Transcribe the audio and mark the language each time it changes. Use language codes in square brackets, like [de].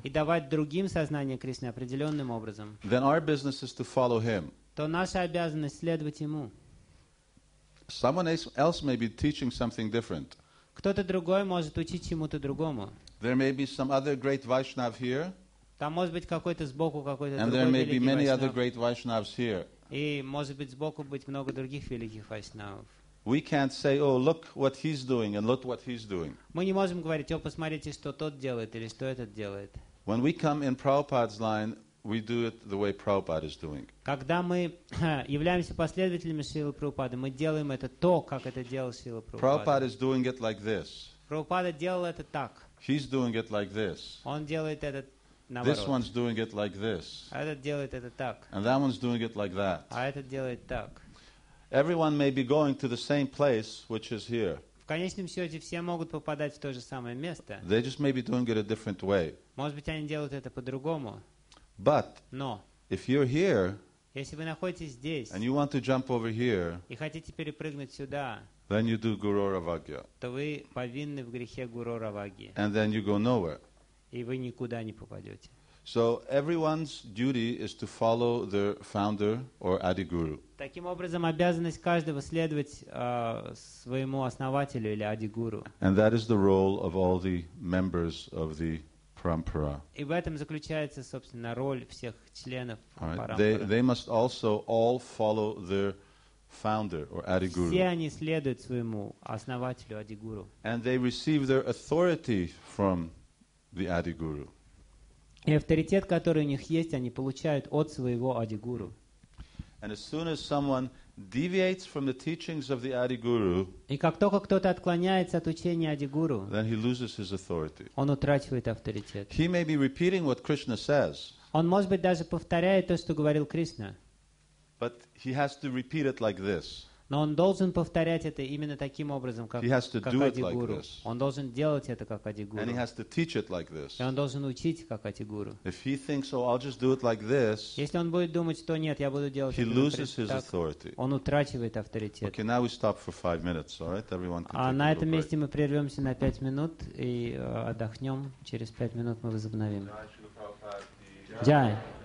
[ru] и давать другим сознание Кришны определенным образом, [en] then our business is to follow him. [ru] То наша обязанность следовать ему. [en] Someone else may be teaching something different. [ru] Кто-то другой может учить чему-то другому. [en] There may be some other great Vaishnav here. [ru] Там может быть какой-то сбоку какой-то другой великий. [en] And there may be many other great Vaishnavs here. [ru] И может быть сбоку быть много других великих Vaishnavs. [en] We can't say, "Oh, look what he's doing and look what he's doing." [ru] Мы не можем говорить, "О, посмотрите, что тот делает или что этот делает." [en] When we come in Prabhupada's line, we do it the way Prabhupada is doing. [ru] Когда мы являемся последователями Шрилы Прабхупады, мы делаем это то, как это делал Шрила Прабхупада. [en] Prabhupada is doing it like this. [ru] Прабхупада делал это так. [en] He's doing it like this. [ru] Он делает это наоборот. [en] This one's doing it like this. [ru] Этот делает это так. [en] And that one's doing it like that. [ru] А этот делает так. [en] Everyone may be going to the same place, which is here. [ru] В конечном счете все могут попадать в то же самое место. [en] They just may be doing it a different way. [ru] Может быть, они делают это по-другому. [en] But no. If you're here, [ru] если вы находитесь здесь, [en] and you want to jump over here, [ru] и хотите перепрыгнуть сюда, [en] then you do Guru Ravagya. [ru] То вы повинны в грехе Гуру Равагьи. [en] And then you go nowhere. [ru] И вы никуда не попадете. [en] So everyone's duty is to follow their founder or Adi Guru. [ru] Таким образом, обязанность каждого следовать своему основателю или Adi Guru. [en] And that is the role of all the members of the Parampara. [ru] И в этом заключается, собственно, роль всех членов Парампара. [en] They must also all follow their founder or Adi Guru. [ru] Все они следуют своему основателю Adi Guru. [en] And they receive their authority from the Adi Guru. [ru] И авторитет, который у них есть, они получают от своего Adi Guru. [en] And as soon as someone deviates from the teachings of the Adi Guru, [ru] и как только кто-то отклоняется от учения Adi Guru, [en] then he loses his authority. [ru] Он утрачивает авторитет. [en] He may be repeating what Krishna says. [ru] Он может быть даже повторяет то, что говорил Кришна. [en] But he has to repeat it like this. [ru] Но он должен повторять это именно таким образом, как Adi Guru. Он должен делать это как Adi Guru. [en] And he has to teach it like this. [ru] И он должен учить как Adi Guru. [en] If he thinks, "Oh, I'll just do it like this," [ru] если он будет думать, что нет, я буду делать это так, [en] he loses his authority. [ru] Он утрачивает авторитет. [en] Okay, now we stop for 5 minutes, all right? Everyone can take a break. [ru] На этом месте мы прервемся на 5 минут и отдохнем. Через 5 минут мы возобновим. Jai.